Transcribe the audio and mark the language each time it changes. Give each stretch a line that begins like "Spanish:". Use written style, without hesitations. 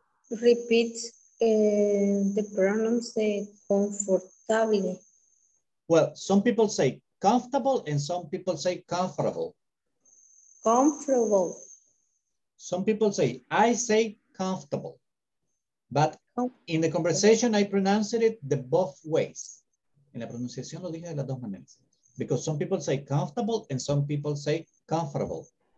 English: Repeat. The pronouns say comfortable. Well, some people say comfortable and some people say comfortable. Comfortable. Some people say, I say comfortable. But in the conversation, I pronounced it the both ways.
Spanish: En la pronunciación lo dije de las dos maneras.
English: Because some people say comfortable and some people say comfortable.